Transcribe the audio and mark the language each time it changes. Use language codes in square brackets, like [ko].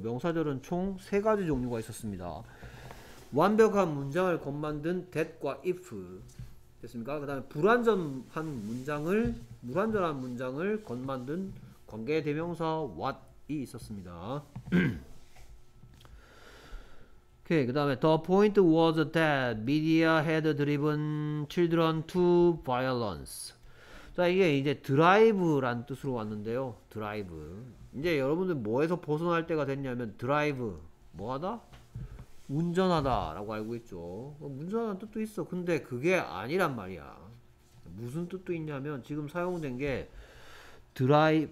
[ko] 명사절은 총세 가지 종류가 있었습니다. 완벽한 문장을 겁 만든 that과 if 됐습니까? 그 다음에 무완전한 문장을 겁 만든 관계대명사 what이 있었습니다. 오케이, 그 다음에 [en] the point was that media had driven children to violence. [ko] 자, 이게 이제 드라이브란 뜻으로 왔는데요. 드라이브. 이제 여러분들 뭐에서 벗어날 때가 됐냐면 드라이브. 뭐하다? 운전하다라고 알고 있죠. 운전하는 뜻도 있어. 근데 그게 아니란 말이야. 무슨 뜻도 있냐면 지금 사용된 게 드라이브.